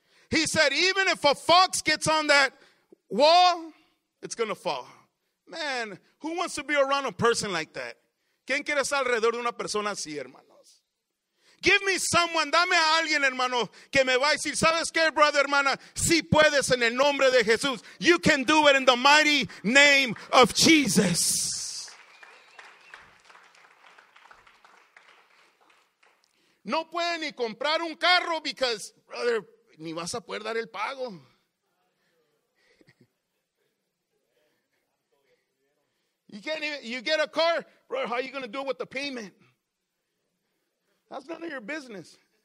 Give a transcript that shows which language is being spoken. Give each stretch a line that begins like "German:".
English: He said, even if a fox gets on that wall, it's going to fall. Man, who wants to be around a person like that?
Spanish: ¿Quién quiere estar alrededor de una persona así, hermanos?
English: Give me someone,
Spanish: dame a alguien, hermano, que me va a decir, ¿sabes qué, brother, hermana? Sí puedes en el nombre de Jesús.
English: You can do it in the mighty name of Jesus.
Spanish: No puede ni comprar un carro
English: because, brother,
Spanish: ni vas a poder dar el pago.
English: You can't even, you get a car, bro, how are you going to do it with the payment? That's none of your business.